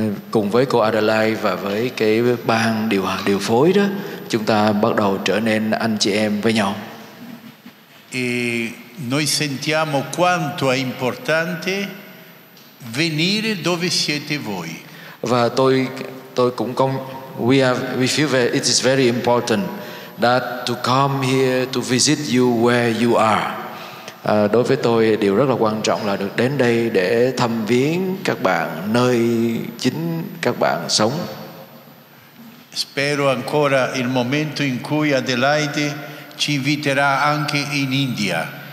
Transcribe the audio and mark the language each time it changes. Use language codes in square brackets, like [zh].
[vi] Cùng với cô Adelaide và với cái ban điều phối đó, chúng ta bắt đầu trở nên anh chị em với nhau. [it] E noi sentiamo quanto è importante venire dove siete voi. [vi] Và tôi cũng công, [en] we feel that it is very important that to come here to visit you where you are. [vi] Đối với tôi điều rất là quan trọng là được đến đây để thăm viếng các bạn nơi chính các bạn sống. [it] Spero ancora il momento in cui Adelaide ci inviterà anche in India.